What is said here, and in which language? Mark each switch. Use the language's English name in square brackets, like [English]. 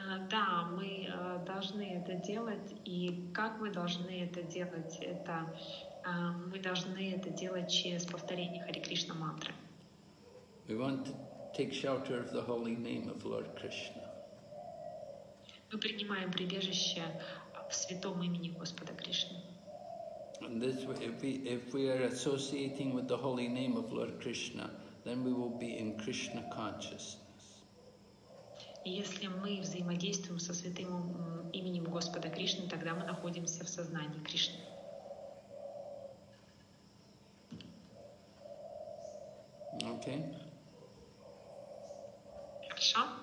[Russian] Да, мы должны это делать, и как мы должны это делать, это мы должны это делать через повторение Hare Krishna мантры. [English] We want to take shelter of the holy name of Lord Krishna. [Russian] Мы принимаем прибежище в святом имени Господа Кришны. [English] And this way, if we are associating with the holy name of Lord Krishna, then we will be in Krishna consciousness. [Russian] Если мы взаимодействуем со святым именем Господа Кришны, тогда мы находимся в сознании Кришны. [English] Okay. [Russian] Хорошо.